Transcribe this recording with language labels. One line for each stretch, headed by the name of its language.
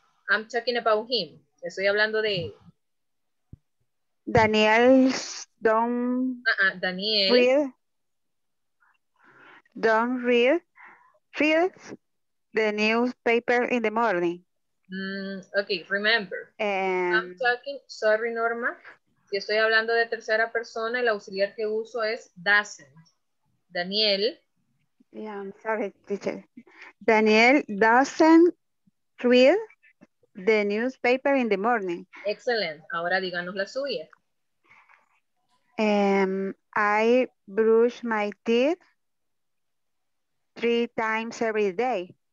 English: I'm talking about him.
Spanish: Estoy hablando de él.
English: Daniel don't read the newspaper in the morning. Okay, remember. Norma.
Spanish: Si estoy hablando de tercera persona, el auxiliar que uso es doesn't. Daniel.
English: Yeah, I'm sorry, teacher. Daniel doesn't read the newspaper in the morning.
Spanish: Excellent. Ahora díganos la suya.
English: I brush my teeth 3 times every day.